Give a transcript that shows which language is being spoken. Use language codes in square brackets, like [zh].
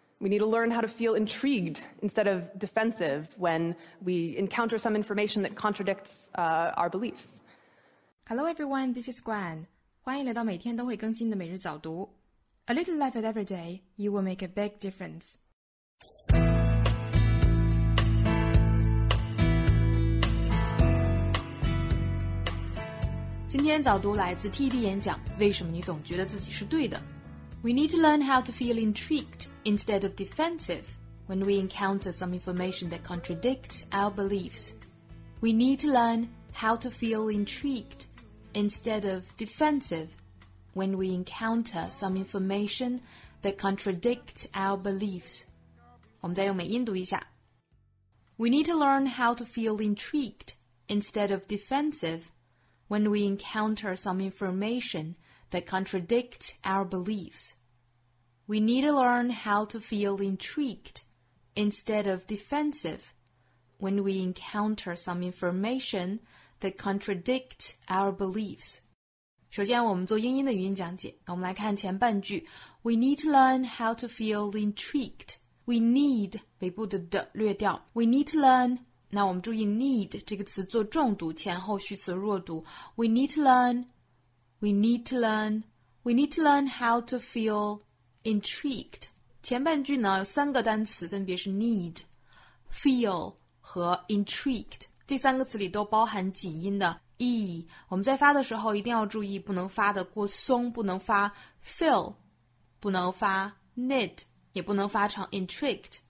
[en] We need to learn how to feel intrigued instead of defensive when we encounter some information that contradicts our beliefs. Hello everyone, this is Gwen. [zh] 欢迎来到每天都会更新的每日早读。 [en] A little life at every day, you will make a big difference. We need to learn how to feel intrigued instead of defensive when we encounter some information that contradicts our beliefs. We need to learn how to feel intrigued instead of defensive when we encounter some information that contradicts our beliefs. [zh] 我们再用美音读一下。 [en] We need to learn how to feel intrigued instead of defensive. When we encounter some information that contradicts our beliefs, we need to learn how to feel intrigued instead of defensive when we encounter some information that contradicts our beliefs. [zh] 首先我们做英音的语音讲解，我们来看前半句。 [en] We need to learn how to feel intrigued. We need, [zh] 尾部的的略掉。 [en] We need to learn... [zh] 那我们注意 need 这个词做重读，前后虚词弱读。 [en] We need to learn, we need to learn, we need to learn how to feel intrigued. [zh] 前半句呢有三个单词，分别是 need, feel 和 intrigued。这三个词里都包含紧音的 e。我们在发的时候一定要注意，不能发的过松，不能发 feel, 不能发 need, 也不能发成 intrigued。